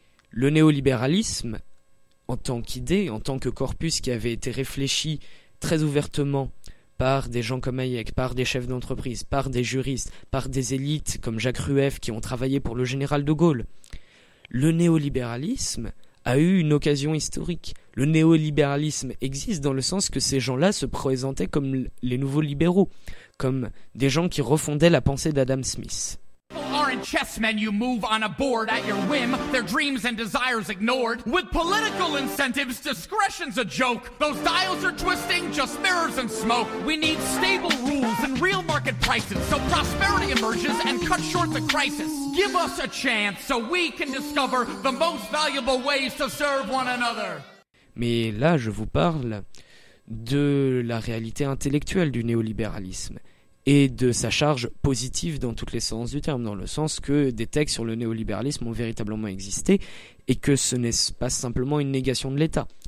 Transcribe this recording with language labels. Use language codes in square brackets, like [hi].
[fr] Le néolibéralisme, en tant qu'idée, en tant que corpus qui avait été réfléchi très ouvertement par des gens comme Hayek, par des chefs d'entreprise, par des juristes, par des élites comme Jacques Rueff qui ont travaillé pour le général de Gaulle. Le néolibéralisme a eu une occasion historique. Le néolibéralisme existe dans le sens que ces gens-là se présentaient comme les nouveaux libéraux, comme des gens qui refondaient la pensée d'Adam Smith. [en] Chessmen, you move on a board at your whim, their dreams and desires ignored. With political incentives, discretion's a joke. Those dials are twisting, just mirrors and smoke. We need stable rules and real market prices, so prosperity emerges and cut short the crisis. Give us a chance so we can discover the most valuable ways to serve one another. [fr] Mais là, je vous parle de la réalité intellectuelle du néolibéralisme. Et de sa charge positive dans tous les sens du terme, dans le sens que des textes sur le néolibéralisme ont véritablement existé, et que ce n'est pas simplement une négation de l'État.